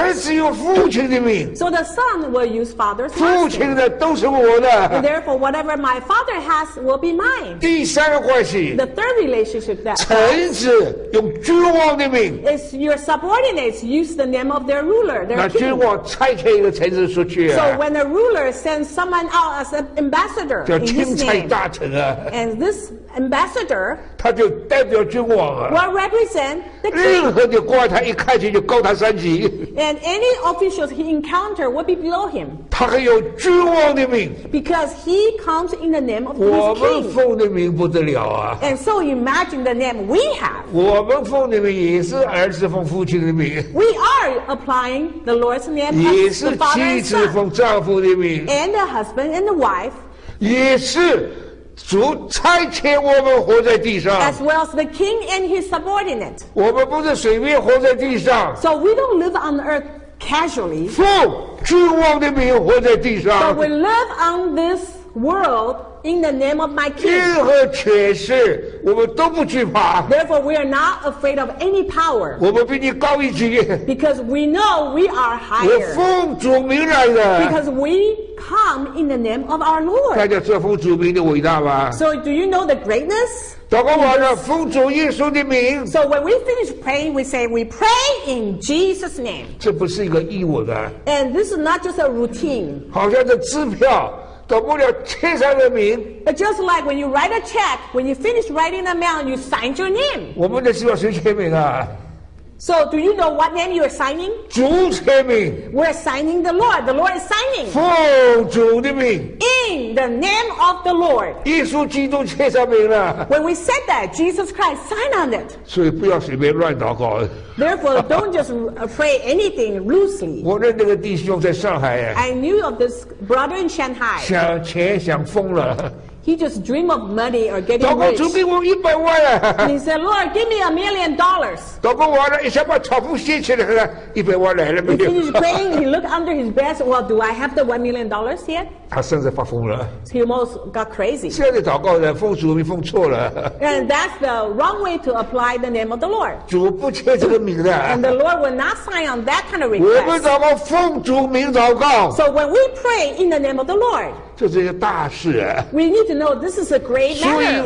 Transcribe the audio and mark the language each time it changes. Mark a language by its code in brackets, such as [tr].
[zh] 儿子有父亲的名。 [en] So the son will use father's. [zh] 父亲的都是我的。 [en] And therefore, whatever my father has will be mine. [zh] 第三个关系。 [en] The third relationship that. [zh] 臣子用君王的名。 [en] Is your subordinates use the name of their ruler? Their [zh] 那君王差遣一个臣子出去、啊。 [en] So when a ruler Send someone out as an ambassador. [zh] 叫钦差大臣啊。 [en] And this ambassador, [zh] 他就代表君王啊。 [en] Will represent the king. [zh] 任何的官，他一看见就高他三级。 [en] And any officials he encounter will be below him. [zh] 他还有君王的名。 [en] Because he comes in the name of his [zh] 我们奉的名不得了啊。 [en] And so imagine the name we have. [zh] 我们奉的名也是儿子奉父亲的名。 [en] We are applying the Lord's name as the father. [zh] 也是妻子奉丈夫的名。 [en] And the husband and the wife, [zh] 也是主差遣我们活在地上 [en] as well as the king and his subordinate. [zh] 我们不是随便活在地上 [en] so we don't live on earth casually. [zh] 奉君王的名活在地上 [en] but we live on this world in the name of my king. [zh] 任何权势我们都不惧怕 [en] therefore we are not afraid of any power. [zh] 我们比你高一级 [en] because we know we are higher. [zh] 我奉主名来的 [en] because we come in the name of our Lord. [zh] 看见这奉主名的伟大吗 [en] so do you know the greatness? [zh] 祷告完了奉主耶稣的名 [en] so when we finish praying we say we pray in Jesus' name. [zh] 这不是一个义务的 [en] and this is not just a routine. [zh] 好像是支票等不了签上的名。 [en] Just like when you write a check, when you finish writing the mail, you sign your name. [zh] 我们的是要谁签名啊 [en] ？So do you know what name you are signing? [zh] 主签名。 [en] We're signing the Lord. The Lord is signing. [zh] 奉主的名。 [en] In the name of the Lord. [zh] 耶稣基督签上名了。 [en] When we said that, Jesus Christ signed on it. [zh] 所以不要随便乱祷告。 [en] Therefore, don't just pray anything loosely. [zh] 我认那个弟兄在上海、啊。 [en] I knew of this brother in Shanghai. [zh] 想钱想疯了。 [en] He just dreamed of money or getting rich. [zh] 祷告主给我100万、啊。 [en] He said, "Lord, give me $1 million." [zh] 祷告完了，一下把钞票掀起来了，100万来了没有？ [en] He finished praying. He looked under his bed. Well, do I have the $1 million yet? [zh] 他甚至发疯了。 [en] He almost got crazy. [zh] 现在祷告的奉主名奉错了。 [en] And that's the wrong way to apply the name of the Lord. [zh] 主不缺这个名的。 [en] And the Lord will not sign on that kind of request. [zh] 我们祷告奉主名祷告。 [en] So when we pray in the name of the Lord. [zh] 这是一个大事、啊。 [en] We need to know this is a great matter.